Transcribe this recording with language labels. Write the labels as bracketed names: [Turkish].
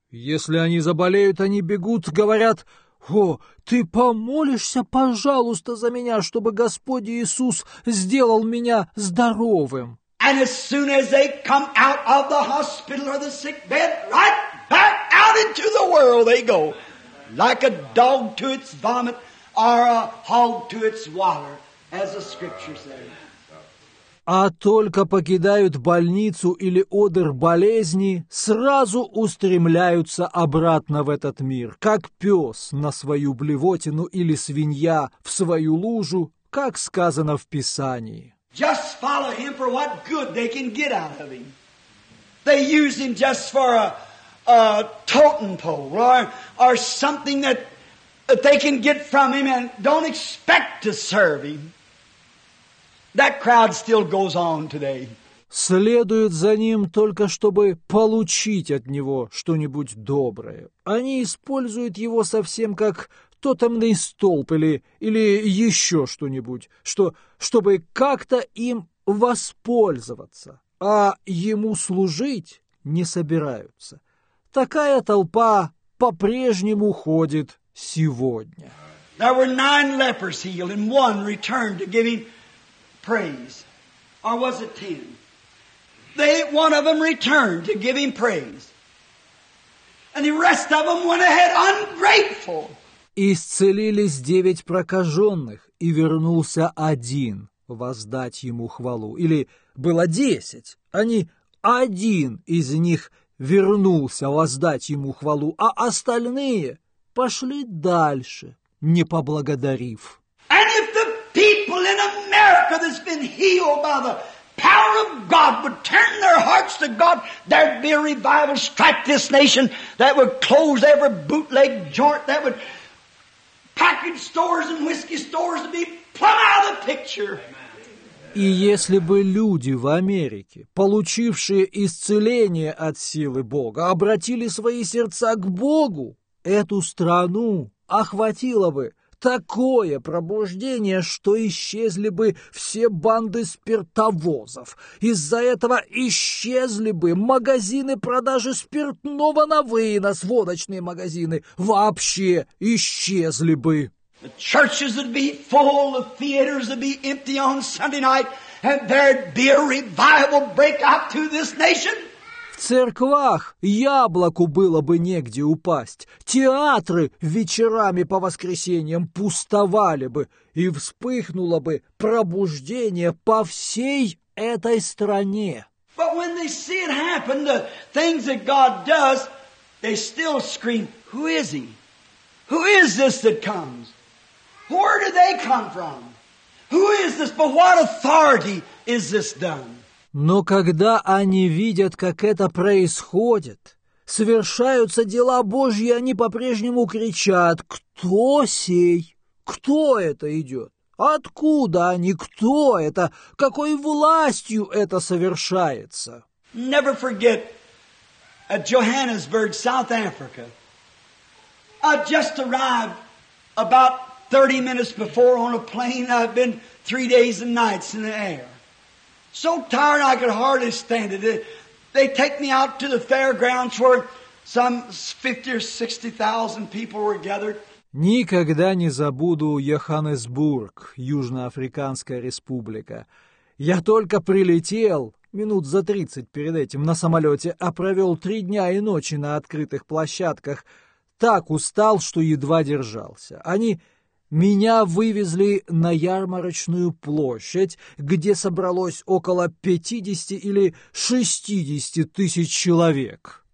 [Russian] Если они заболеют, они бегут, говорят: о, ты помолишься, пожалуйста, за меня, чтобы Господь Иисус сделал меня здоровым. [English] And as soon as they come out of the hospital or the sick bed, right back out into the world they go, like a dog to its vomit or a hog to its water, as the scripture says. [Russian] А только покидают больницу или одр болезни, сразу устремляются обратно в этот мир, как пес на свою блевотину или свинья в свою лужу, как сказано в Писании. [English] Just follow him for what good they can get out of him. They use him just for a totem pole or something that they can get from him and don't expect to serve him. That crowd still goes on today. [Russian] Следуют за ним только чтобы получить от него что-нибудь доброе. Они используют его совсем как тотемный столб или еще что-нибудь, чтобы как-то им воспользоваться, а ему служить не собираются. Такая толпа по-прежнему ходит сегодня. [English] There were 9 lepers healed, and one returned to give him praise. Or was it 10? One of them returned to give him praise. And the rest of them went ahead ungrateful. [Russian] Исцелились 9 прокаженных, и вернулся один воздать ему хвалу. Или было 10, они один из них вернулся воздать ему хвалу, а остальные пошли дальше, не поблагодарив. [English] And if the people in America that's been healed by the power of God would turn their hearts to God, there'd be a revival strike this nation that would close every bootleg joint, that would package stores and whiskey stores to be plumb out of the picture. [Russian] И если бы люди в Америке, получившие исцеление от силы Бога, обратили свои сердца к Богу, эту страну охватило бы такое пробуждение, что исчезли бы все банды спиртовозов. Из-за этого исчезли бы магазины продажи спиртного на вынос, водочные магазины вообще исчезли бы. [English] The churches would be full, the theaters would be empty on Sunday night, and there'd be a revival breakout to this nation. [Russian] В церквах яблоку было бы негде упасть. Театры вечерами по воскресеньям пустовали бы, и вспыхнуло бы пробуждение по всей этой стране. [English] But when they see it happen, the things that God does, they still scream, "Who is he? Who is this that comes? Where do they come from? Who is this? By what authority is this done?" [Russian] Но когда они видят, как это происходит, совершаются дела Божьи, они по-прежнему кричат: «Кто сей? Кто это идет? Откуда они? Кто это? Какой властью это совершается?» [English] Never forget at Johannesburg, South Africa. I just arrived about 30 minutes before on a plane. I've been 3 days and nights in the air. So tired I could hardly stand it. They take me out to the fairgrounds where some 50 or 60,000 people were gathered. [Russian] Никогда не забуду Йоханнесбург, Южноафриканская республика. Я только прилетел минут за 30 перед этим на самолете, а провел 3 дня и ночи на открытых площадках. Так устал, что едва держался. Они меня вывезли на ярмарочную площадь, где собралось около 50 или 60 тысяч человек.